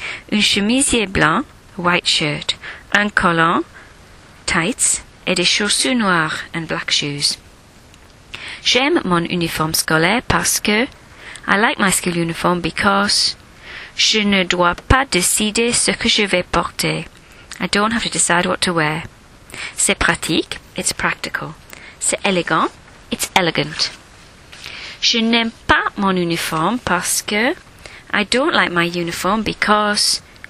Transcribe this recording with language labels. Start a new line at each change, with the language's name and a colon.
French: Une chemisier blanc, white shirt, un collant, tights, et des chaussures noires,
English: and black shoes.
French: J'aime mon uniforme scolaire parce que,
English: I like my school uniform because,
French: je ne dois pas décider ce que je vais porter.
English: I don't have to decide what to wear.
French: C'est pratique.
English: It's practical.
French: C'est élégant.
English: It's elegant.
French: Je n'aime pas mon uniforme parce que...
English: I don't like my uniform because...